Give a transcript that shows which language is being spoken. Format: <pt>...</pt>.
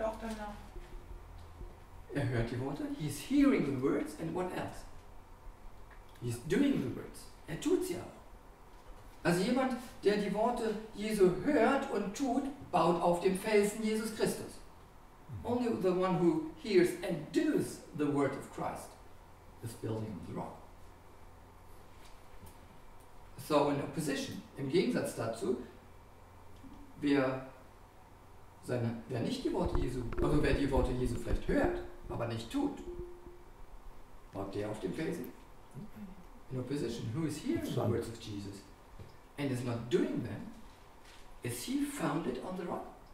<de>Er hört nicht nur die Worte, sondern er tut auch danach. Er hört die Worte.</de> <en>He is hearing the words and what else? He is doing the words.</en> <de>Er tut sie auch. Also jemand, der die Worte Jesu hört und tut, baut auf dem Felsen Jesus Christus.</de> <en>Only the one who hears and does the word of Christ is building the rock. So in opposition,</en> <de>im Gegensatz dazu, wer nicht die Worte Jesu, also wer die Worte Jesu vielleicht hört, aber nicht tut, baut der auf dem Felsen.</de> <en>In opposition, who is hearing the words of Jesus and is not doing them, is he founded on the rock?</en>